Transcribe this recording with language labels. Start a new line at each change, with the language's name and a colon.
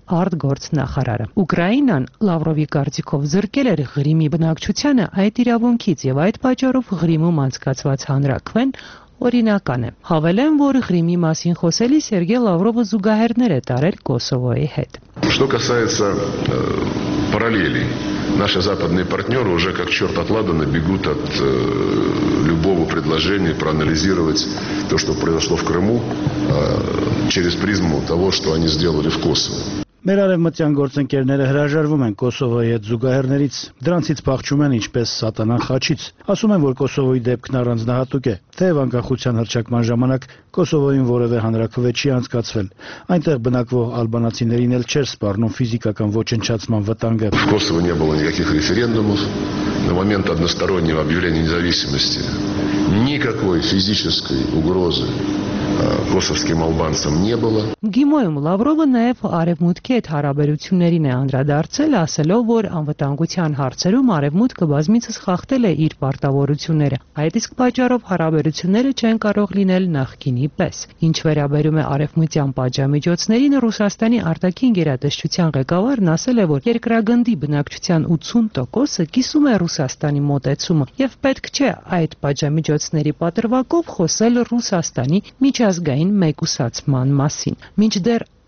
Armenian: արտգործնախարարը։ Ուկրաինան Լավրովի կարծիքով զրկել էր Ղրիմի բնակչությանը այդ իրավունքից, և այդ պատճառով Ղրիմում անցկացված հանրաքվեն օրինական է։ Հավելեմ, որ Ղրիմի մասին խոսելի Սերգեյ Լավրովը զուգահեռներ է տարել Կոսովոյի հետ։
Russian: Что касается параллелей, наши западные партнеры уже как черт от ладана бегут от любого предложения проанализировать то, что произошло в Крыму, через призму того, что они сделали в Косово.
Armenian: Մեր արևմտյան գործընկերները հրաժարվում են Կոսովոյի հետ զուգահեռներից, դրանցից փախչում են ինչպես սատանան խաչից։ Ասում են, որ Կոսովոյի դեպքն առանձնահատուկ է, թեև անկախության հռչակման ժամանակ Կոսովոյին որևէ հանրաքվե չի անցկացվել, այնտեղ բնակվող ալբանացիներին էլ չէր սպառնում ֆիզիկական ոչնչացման վտանգը։
Russian: В Косово не было никаких референдумов на момент одностороннего объявления независимости. Никакой физической угрозы косовским албанцам не было.
Armenian: Գիմոյում Լավրովը նաև արևմուտքի հետ հարաբերություններին է անդրադարձել, ասելով, որ անվտանգության հարցերում արևմուտքը բազմիցս խախտել է իր պարտավորությունները, այդ իսկ պատճառով հարաբերությունները չեն կարող լինել նախկինի պես։ Ինչ վերաբերում է արևմտյան պատժամիջոցներին, Ռուսաստանի արտաքին գերատեսչության ղեկավարն ասել է, որ երկրագնդի բնակչության 80%-ը կիսում է Ռուսաստանի մոտեցումը, և պետք չէ այդ պատժամիջոցների պատրվակով խոսել Ռուսաստանի միջազգային մեկուսացման մասին։ Մինչդեռ